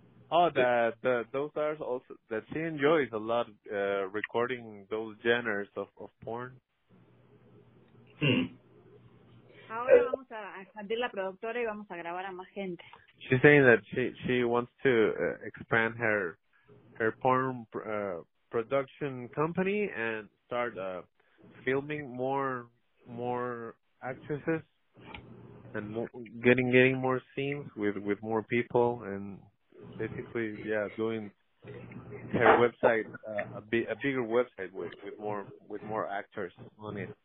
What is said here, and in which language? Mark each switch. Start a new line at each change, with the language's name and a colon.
English: Oh, those are also that she enjoys a lot recording those genres of porn.
Spanish: Ahora vamos a expandir la productora y vamos a grabar a más gente.
English: She's saying that she wants to expand her porn production company and start filming more actresses and getting more scenes with more people and basically doing her website a bigger website with more actors on it.